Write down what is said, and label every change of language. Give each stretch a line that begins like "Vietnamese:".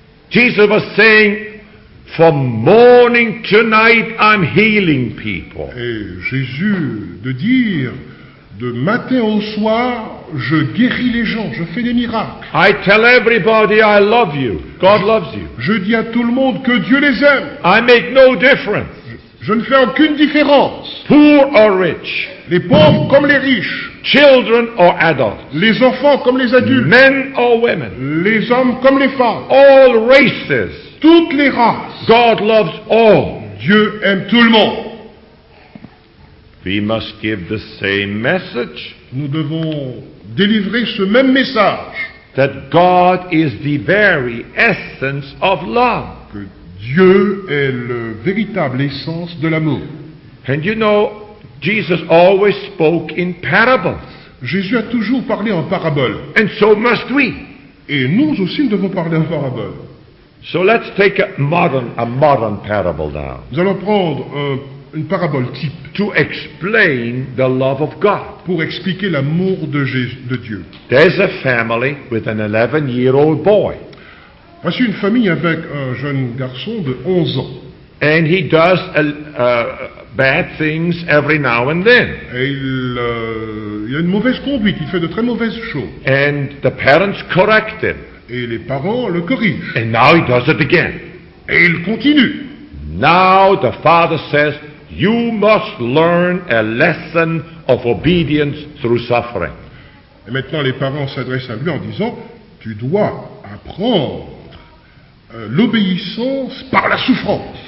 English: Jesus was saying, From morning to night, I'm healing people.
French: Et Jésus de dire, de matin au soir, je guéris les gens, je fais des miracles.
English: I tell everybody I love you. God loves you.
French: Je dis à tout le monde que Dieu les aime.
English: I make no difference.
French: Je ne fais aucune différence.
English: Poor or rich.
French: Les pauvres comme les riches.
English: Children or adults.
French: Les enfants comme les adultes.
English: Men or women.
French: Les hommes comme les femmes.
English: All races.
French: Toutes les races.
English: God loves all.
French: Dieu aime tout le monde.
English: We must give the same message.
French: Nous devons délivrer ce même message.
English: That God is the very essence of love.
French: Que Dieu est le véritable essence de l'amour.
English: And you know, Jesus always spoke in parables.
French: Jésus a toujours parlé en paraboles.
English: And so must we.
French: Et nous aussi nous devons parler en paraboles.
English: So let's take a modern parable now.
French: Nous allons prendre une parabole type.
English: To explain the love of God.
French: Pour expliquer l'amour de Dieu.
English: There's a family with an 11-year-old boy.
French: Voici une famille avec un jeune garçon de 11 ans.
English: And he does bad things every now and then.
French: Et il a une mauvaise conduite, il fait de très mauvaises choses.
English: And the parents correct him.
French: Et les parents le corrigent.
English: And now he does it again.
French: Et il continue.
English: Now the father says, you must learn a lesson of obedience through suffering.
French: Et maintenant les parents s'adressent à lui en disant, tu dois apprendre l'obéissance par la souffrance.